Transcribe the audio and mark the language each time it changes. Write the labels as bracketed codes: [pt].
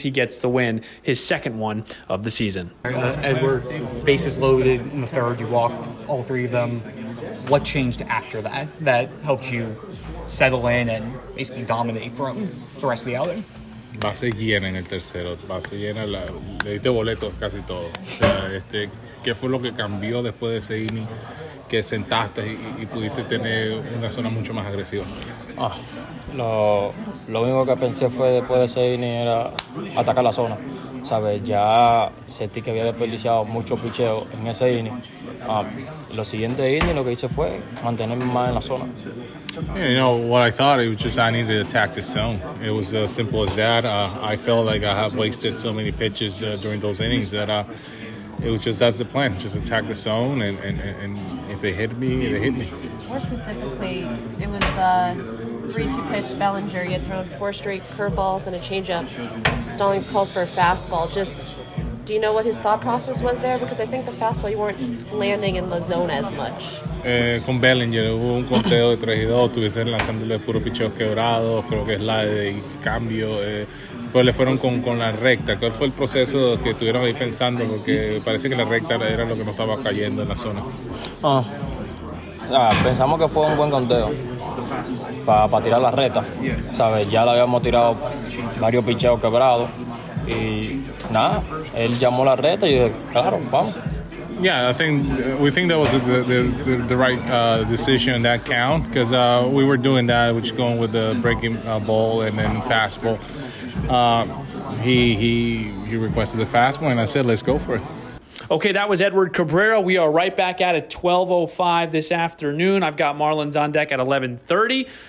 [en] He gets the win, his second one of the season. Edward, bases loaded in the third. You walked all three of them. What changed after that that helped you settle in and basically dominate from the rest of the outing? [es] Base llena en el tercero. Base llena, le diste boletos casi todo. O sea, ¿qué fue lo que cambió después de ese inning que sentaste y pudiste tener una zona mucho más agresiva? Lo único que pensé fue después de ese inning era atacar la zona. ¿Sabes? Ya sentí que había desperdiciado mucho picheo en ese inning. Lo siguiente inning lo que hice fue mantenerme más en la zona. [en] You know, what I thought, it was just I needed to attack the zone. It was as simple as that. I felt like I had wasted so many pitches during those innings that it was just, that's the plan, just attack the zone, and if they hit me, they hit me. More specifically, it was 3-2 pitch Bellinger. You had thrown 4 straight curveballs and a changeup. Stallings calls for a fastball. Just, do you know what his thought process was there? Because I think the fastball, you weren't landing in the zone as much. [es] Con Bellinger hubo un conteo de 3-2. Tuviste lanzándole puro picheos quebrados. Creo que es la de cambio. Pues le fueron con la recta. ¿Cuál fue el proceso que estuvieron ahí pensando? Porque parece que la recta era lo que no estaba cayendo en la zona. Pensamos que fue un buen conteo para tirar la recta. ¿Sabes? Ya la habíamos tirado varios picheos quebrados. Y nada, él llamó la recta y yo dije, claro, vamos. [en] Yeah, I think we think that was the right decision in that count, because we were doing that, which going with the breaking ball and then fastball. He requested the fastball, and I said, let's go for it. Okay, that was Edward Cabrera. We are right back at 12:05 this afternoon. I've got Marlins on deck at 11:30.